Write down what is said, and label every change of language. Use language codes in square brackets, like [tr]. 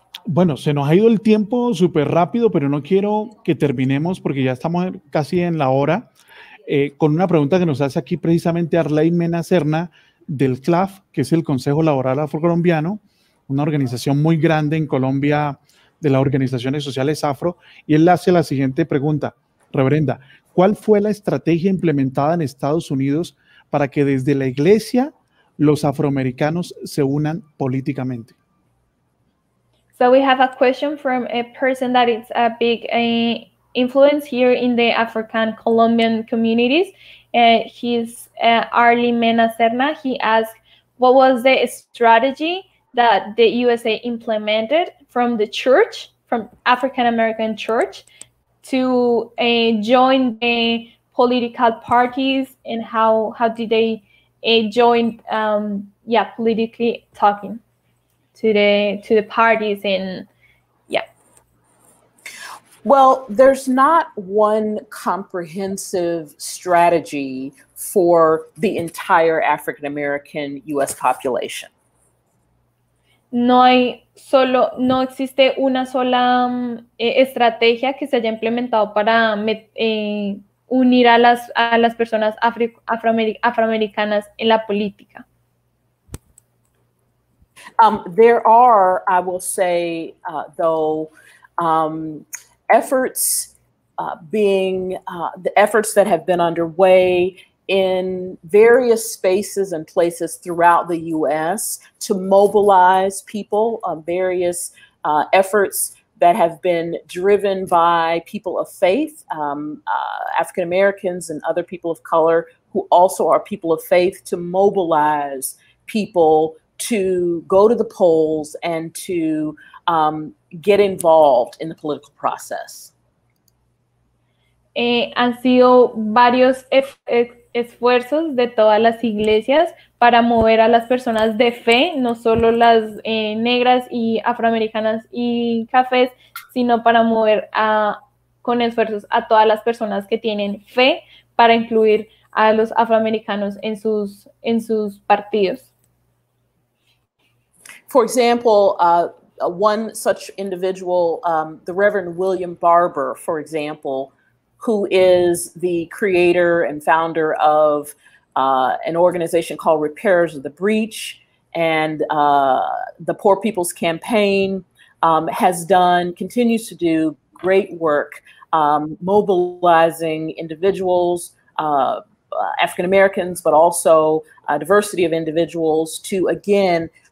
[es] Bueno, se nos ha ido el tiempo súper rápido, pero no quiero que terminemos porque ya estamos casi en la hora, con una pregunta que nos hace aquí precisamente Arley Mena Serna del CLAF, que es el Consejo Laboral Afrocolombiano, una organización muy grande en Colombia de las organizaciones sociales afro, y él hace la siguiente pregunta, reverenda: ¿cuál fue la estrategia implementada en Estados Unidos para que desde la iglesia los afroamericanos se unan políticamente? [en] So we have a question from a person that is a big influence here in the African Colombian communities. He's Arley Mena Serna. He asked, what was the strategy that the USA implemented from the church, from African American church, to join the political parties, and how did they join politically talking to the parties? And well, there's not one comprehensive strategy for the entire African American US population. [es] No existe una sola estrategia que se haya implementado para unir a las personas afroamericanas en la política. [en] There are, I will say, efforts the efforts that have been underway in various spaces and places throughout the U.S. to mobilize people, various efforts that have been driven by people of faith, African Americans and other people of color who also are people of faith, to mobilize people to go to the polls and to get involved in the political process. [es] Han sido varios esfuerzos de todas las iglesias para mover a las personas de fe, no solo las negras y afroamericanas y cafés, sino para mover con esfuerzos a todas las personas que tienen fe para incluir a los afroamericanos en sus partidos. [en] For example, one such individual, the Reverend William Barber, for example, who is the creator and founder of an organization called Repairers of the Breach, and the Poor People's Campaign, continues to do great work mobilizing individuals, African Americans, but also a diversity of individuals to, again,